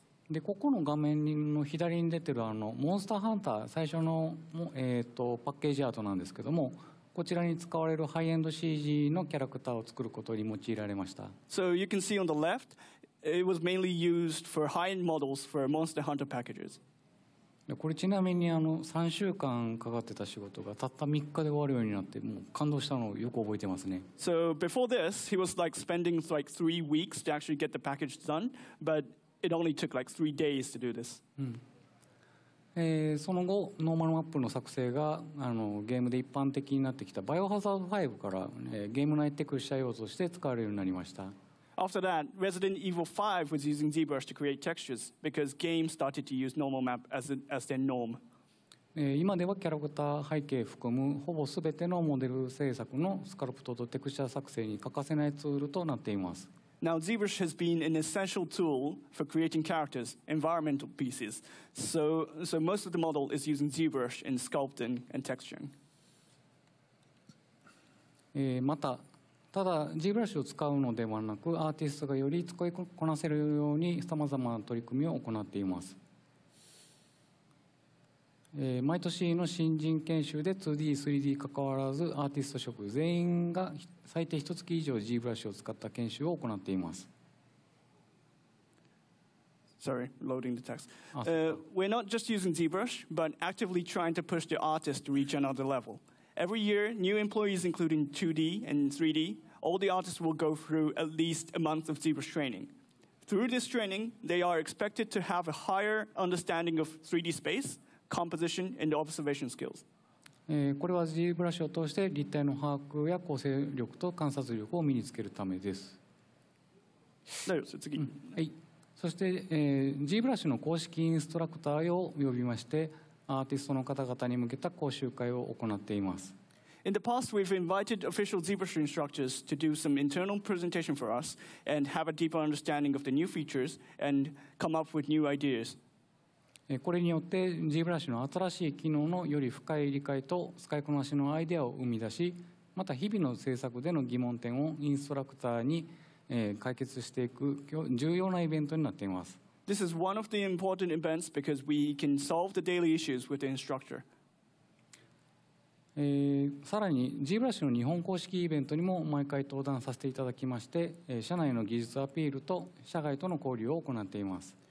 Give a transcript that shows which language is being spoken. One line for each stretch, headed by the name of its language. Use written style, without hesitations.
Japanese: で、ここの画面の左に出てるモンスターハンター、最初のパッケージアートなんですけども、こちらに使われるハイエンド CG のキャラクターを作ることに用いられました。
English: So you can see on the left, it was mainly used for high-end models for Monster Hunter packages.
Japanese: これちなみに3週間かかってた仕事がたった3日で終わるようになってもう感動したのをよく覚えてますね。
English: So before this, he was like spending like 3 weeks to actually get the package done, but it only took like 3 days to do this.、
Japanese: その後、ノーマルマップの作成がゲームで一般的になってきたバイオハザード5から、ゲーム内テクスチャー用として使われるようになりました。
English: After that, Resident Evil 5 was using ZBrush to create textures because games started to use normal map as their norm.
Japanese: 今ではキャラクター背景含むほぼすべてのモデル制作のスカルプトとテクスチャー作成に欠かせないツールとなっています。
English: Now, ZBrush has been an essential tool for creating characters, environmental pieces. So most of the model is using ZBrush in sculpting and texturing.
Japanese: またただ ZBrush を使うのではなくアーティストがより使いこなせるようにさまざまな取り組みを行っています。毎年の新人研修で 2D3D 関わらずアーティスト職全員が最低1月以上 ZBrush を使った研修を行っています。
English: Sorry, loading the text. We're not just using ZBrush, but actively trying to push the artist to reach another level. Every year, new employees, including 2D and 3D, all the artists will go through at least a month of ZBrush training. Through this training, they are expected to have a higher understanding of 3D space, composition, and observation skills.
Japanese: これは ZBrush を通して立体の把握や構成力と観察力を身につけるためです。なるほど、次。はい。そして、ZBrush の公式インストラクターを呼びまして、アーティストの方々に向けた講習会を行っています。
English: In the past, we've invited official ZBrush instructors to do some internal presentation for us and have a deeper understanding of the new features and come up with new ideas.
Japanese: これによって ZBrush の新しい機能のより深い理解と使いこなしのアイデアを生み出し、また日々の制作での疑問点をインストラクターに解決していく重要なイベントになっています。
English: This is one of the important events because we can solve the daily issues with the instructor.
Japanese: さらに ZBrush の日本公式イベントにも毎回登壇させていただきまして、社内の技術アピールと社外との交流を行っています。